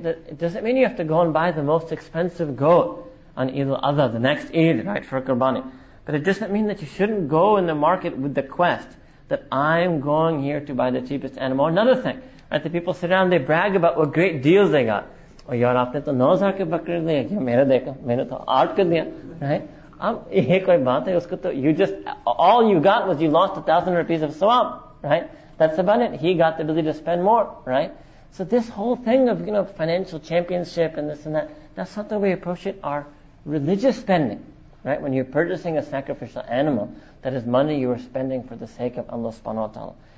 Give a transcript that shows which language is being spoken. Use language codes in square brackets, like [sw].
[en] That doesn't mean you have to go and buy the most expensive goat on Eid al-Adha, the next Eid, right, for a qurbani. But it doesn't mean that you shouldn't go in the market with the quest that I'm going here to buy the cheapest animal. Another thing, right, the people sit down, they brag about what great deals they got. [ur] اوہ، یار، آپ نے تو 9,000 کے بکرے لیے، کیا میرا دیکھا، میں نے تو 8 کے دیا، right? [en] All you got was you lost 1,000 rupees of sawab, right? That's about it. He got the ability to spend more, right? So this whole thing of, financial championship and this and that, that's not the way we approach it. Our religious spending, right? When you're purchasing a sacrificial animal, that is money you are spending for the sake of Allah subhanahu wa ta'ala.